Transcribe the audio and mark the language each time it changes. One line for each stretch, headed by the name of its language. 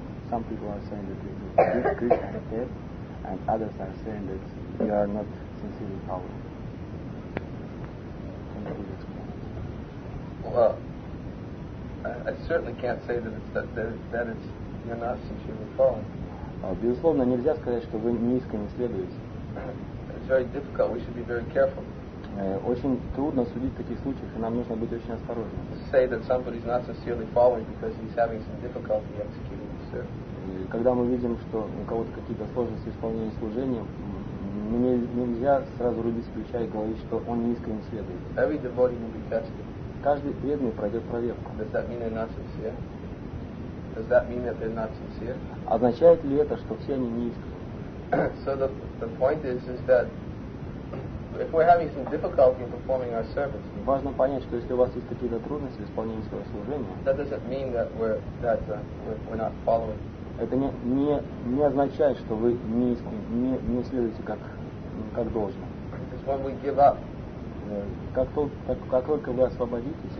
English: Some people are saying that it's a big Krishna step, and others are saying that you are not sincerely following. Can you please explain? Well, I certainly can't say that it's you're not sincerely following.
Russian: Безусловно, нельзя сказать, что вы не искренне следуете.
English: It's very difficult. We should be very careful.
Russian: Очень трудно судить в таких случаях, и нам нужно быть очень осторожными.
English: Say that somebody's not sincerely following because he's having some difficulty executing the service.
Russian: Когда мы видим, что у кого-то какие-то сложности в исполнении служения, нельзя сразу рубить с плеча и говорить, что он не искренне следует.
English: Every devotee will be tested.
Russian: Каждый преданный пройдет проверку.
English: Does that mean they're not sincere? Does that mean that they're not sincere?
Russian: Означает ли это, что все они не искренне?
English: So the point is that if we're having some difficulty in performing our service.
Russian: Важно понять, что если у вас есть какие-то трудности в исполнении своего служения.
English: That doesn't mean that we're not following.
Russian: Это не означает, что вы не следуете как должно.
English: When we give up.
Russian: Как только вы освободитесь.